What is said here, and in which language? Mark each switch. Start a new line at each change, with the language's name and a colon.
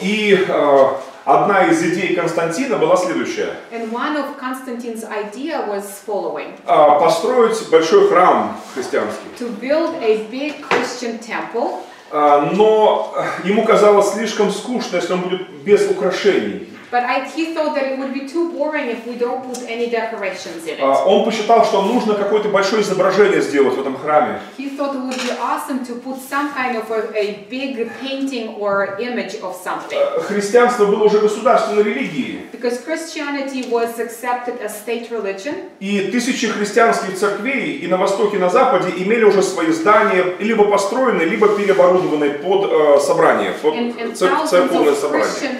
Russian: И одна из идей Константина была следующая.
English: And one of Constantine's idea was following.
Russian: Построить большой храм христианский.
English: To build a big Christian temple.
Russian: Но ему казалось слишком скучно, если он будет без украшений.
English: But he thought that it would be too boring if we don't put any decorations in it.
Russian: Он посчитал, что нужно какое-то большое изображение сделать в этом храме.
English: He thought it would be awesome to put some kind of a big painting or image of something.
Russian: Христианство было уже государственной религией.
English: Because Christianity was accepted as state religion.
Russian: И тысячи христианских церквей и на востоке, и на западе имели уже свои здания, либо построенные, либо переоборудованные под собрание, под церковное собрание.